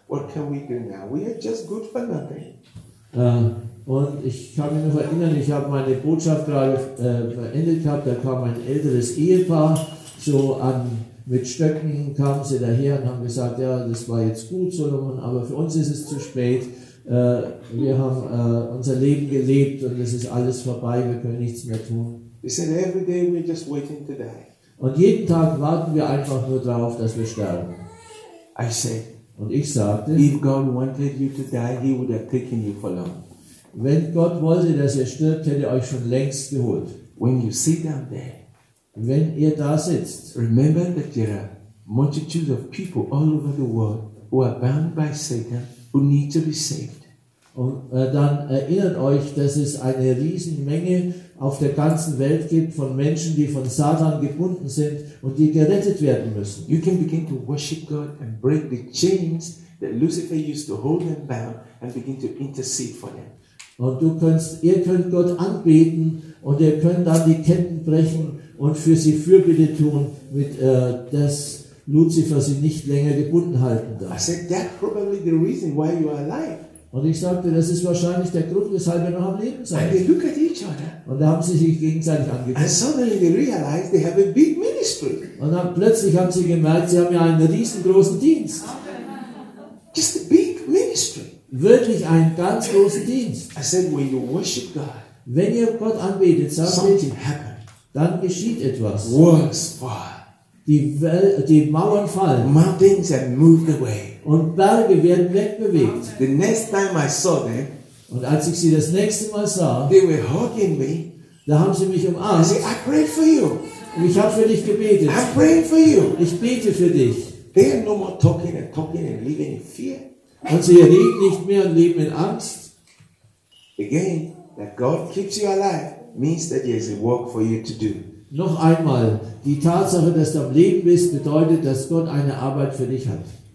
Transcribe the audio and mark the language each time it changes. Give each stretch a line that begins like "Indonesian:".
English: What can we do now? We are just good for nothing.
German: Und ich kann mich noch erinnern, ich habe meine Botschaft gerade beendet gehabt, da kam ein älteres Ehepaar, so an, mit Stöcken kamen sie daher und haben gesagt, ja, das war jetzt gut, Solomon, aber für uns ist es zu spät, wir haben unser Leben gelebt und es ist alles vorbei, wir können nichts mehr tun.
English: They said, every day we're just waiting to die.
German: Und jeden Tag warten wir einfach nur darauf, dass wir sterben.
English: I said,
German: und ich sagte,
English: if God wanted you to die, he would have taken you for long.
German: Wenn Gott wollte, dass ihr stirbt, hätte er euch schon längst geholt.
English: When you sit down there,
German: wenn ihr da sitzt,
English: remember that there are multitudes of people all over the world who are bound by Satan, who need to be saved.
German: Und dann erinnert euch, dass es eine riesen Menge auf der ganzen Welt gibt von Menschen, die von Satan gebunden sind und die gerettet werden müssen.
English: You can begin to worship God and break the chains that Lucifer used to hold them bound and begin to intercede for them.
German: Und du könnt, ihr könnt Gott anbeten und ihr könnt dann die Ketten brechen und für sie Fürbitte tun, mit dass Lucifer sie nicht länger gebunden halten darf.
English: I said, that's probably the reason why you are alive.
German: Und ich sagte, das ist wahrscheinlich der Grund, weshalb ihr noch am Leben seid.
English: And they look at each other.
German: Und da haben sie sich gegenseitig angeguckt.
English: And suddenly they realize they have a big ministry.
German: Und dann plötzlich haben sie gemerkt, sie haben ja einen riesengroßen Dienst.
English: Just a big ministry.
German: Wirklich ein ganz großer Dienst.
English: I said, when you worship God,
German: wenn ihr Gott anbetet, sagt ich, dann geschieht etwas.
English: Walls fall.
German: Die Mauern fallen.
English: Mountains have moved away.
German: Und Berge werden wegbewegt.
English: The next time I saw them,
German: und als ich sie das nächste Mal sah,
English: they were hugging me.
German: Da haben sie mich umarmt.
English: I said, I pray for you.
German: Und ich habe für dich gebetet.
English: I pray for you.
German: Ich bete für dich.
English: They are no more talking and living in fear.
German: Und sie reden nicht mehr und leben in Angst.
English: Again, that God keeps you alive means that there is a work for you to do.
German: Noch einmal, die Tatsache, dass du am Leben bist, bedeutet, dass Gott eine Arbeit für dich hat.